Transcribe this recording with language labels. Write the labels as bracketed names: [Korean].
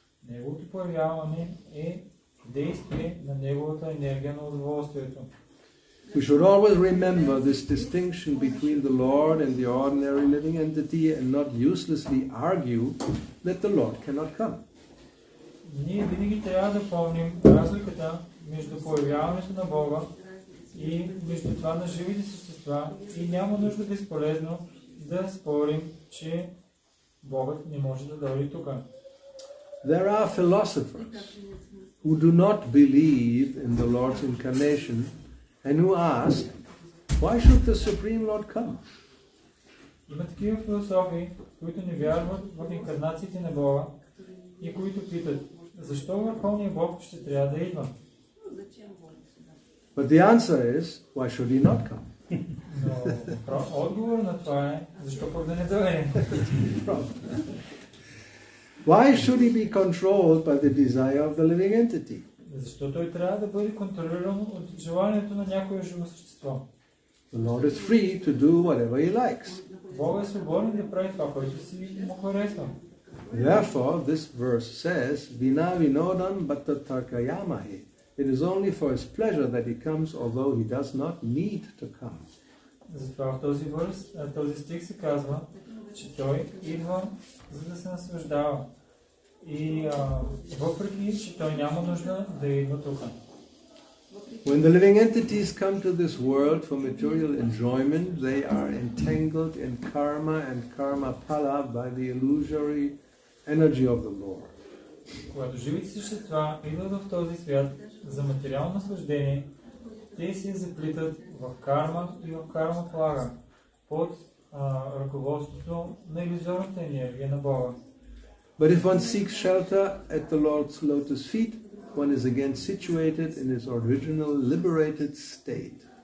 [Bulgarian] Неговото появяване е действие на неговата енергия на удоволствието. [English] We should always remember this distinction between the Lord and the ordinary living entity and not uselessly argue that the Lord cannot come. [Bulgarian] Ние винаги трябва да помним разликата между появяването на Бога и между това на живите същества и няма нужда безполезно да спорим, че Богът не може да дойде тук. [English] There are philosophers who do not believe in the Lord's incarnation and who ask, why should the Supreme Lord come? [Bulgarian] Има такива философи, които не вярват в инкарнациите на Бога и които питат, защо Върховният Бог ще трябва да идва? [English] But the answer is, why should he not come? [Bulgarian] Но отговор на това е, защо пък да не дойде? [English] Why should he be controlled by the desire of the living entity? [Bulgarian] Защо той трябва да бъде контролиран от желанието на някое живо същество? [English] The Lord is free to do whatever he likes. [Bulgarian] Бог е свободен да прави това, което си му харесва. [English] Therefore, this verse says, [Sanskrit] Vina vinodam bhatta tarkayamahe. [English] It is only for his pleasure that he comes, although he does not need to come. [Bulgarian] Затова в този верс, този стих се казва, че той идва, за да се наслаждава. И въпреки, че той няма нужда да идва тук. [English] When the living entities come to this world for material enjoyment, they are entangled in karma and karma pala by the illusory energy of the Lord. [Bulgarian] Когато живите същества идват в този свят за материално наслаждение, те се заплитат в карма и в карма плага под ръководството на иллюзорната енергия на Бога. [English] But if one seeks shelter at the Lord's lotus feet, one is again situated in his original liberated state.